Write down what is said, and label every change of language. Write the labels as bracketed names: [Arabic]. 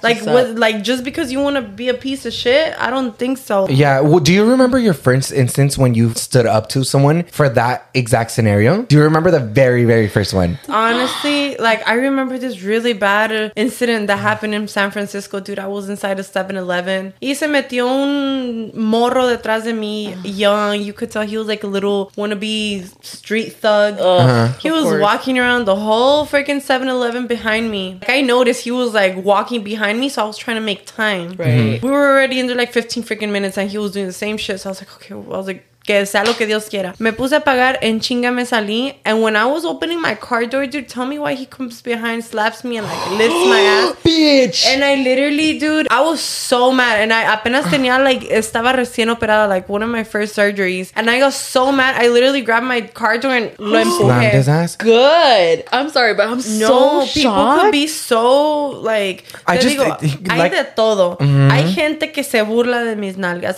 [English] Like, just because you want to be a piece of shit? I don't think so. Yeah. Well, do you remember your first instance when you stood up to someone for that exact scenario? Do you remember the very, very first one? Honestly, like, I remember this really bad incident that happened in San Francisco. Dude, I was inside a 7-Eleven. [Spanish] Y se metió un morro detrás de mí, young. [English] You could tell he was like a little wannabe street thug. He was walking around the whole freaking 7-Eleven behind me. Like, I noticed he was like walking behind me, so I was trying to make time. Right. Mm-hmm. We were already in there like 15 freaking minutes and he was doing the same shit. So I was like, [Spanish] okay, well, I was like, que sea lo que Dios quiera. Me puse a pagar, en chinga me salí. [English] And when I was opening my car door, dude, tell me why he comes behind, slaps me, and like lifts my ass. Bitch! And I literally, dude, I was so mad. And I [Spanish] apenas tenía, [English] like, [Spanish] estaba recién operada, [English] like one of my first surgeries. And I got so mad, I literally grabbed my car door and [Spanish] lo empujé. [English] His ass. Good. I'm sorry, but I'm so shocked. People could be so, like, I just [Spanish] digo, [English] like, [Spanish] hay de todo. Mm-hmm. Hay gente que se burla de mis nalgas.